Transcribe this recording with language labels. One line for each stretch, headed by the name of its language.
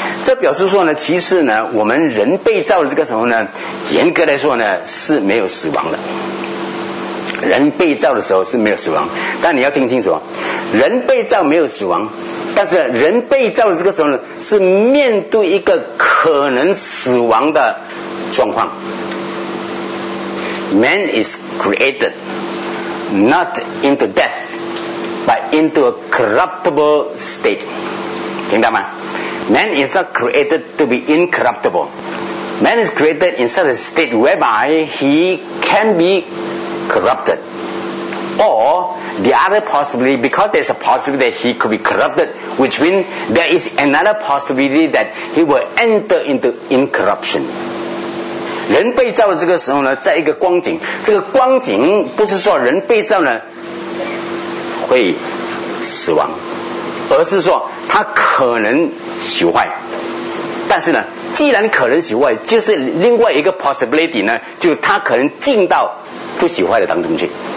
Chinese: 这表示说呢，其实呢我们人被造的这个时候呢，严格来说呢是没有死亡的。人被造的时候是没有死亡，但你要听清楚，人被造没有死亡，但是人被造的这个时候呢是面对一个可能死亡的状况。
English: Man is created not into death but into a corruptible state.
Chinese: 听到吗？
English: Man is not created to be incorruptible. Man is created in such a state whereby he can be corrupted. Or the other possibility, because there's a possibility that he could be corrupted, which means there is another possibility that he will enter into incorruption.
Chinese: 人被造的这个时候呢，在一个光景，这个光景不是说人被造呢会死亡，而是说他可能朽坏。但是呢既然可能朽坏，就是另外一个 possibility 呢，就是他可能进到不朽坏的当中去。